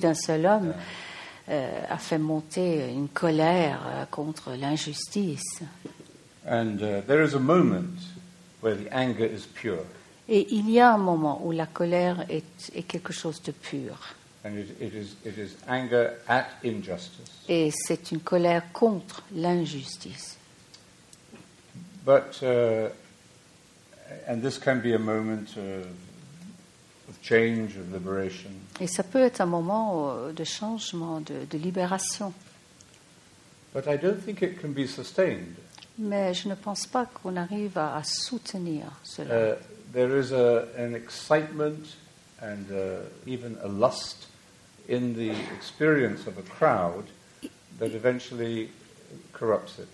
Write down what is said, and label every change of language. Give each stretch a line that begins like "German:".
French: d'un seul homme a fait monter une colère contre l'injustice.
English: And there is a moment where the anger is pure.
French: Et il y a un moment où la colère est quelque chose de pur.
English: And it is anger at injustice.
French: Et c'est une colère contre l'injustice.
English: But and this can be a moment of change, of liberation.
French: Et ça peut être un moment de changement, de libération.
English: But I don't think it can be sustained.
French: Mais je ne pense pas qu'on arrive à soutenir cela.
English: There is an excitement and even a lust in the experience of a crowd that eventually corrupts it.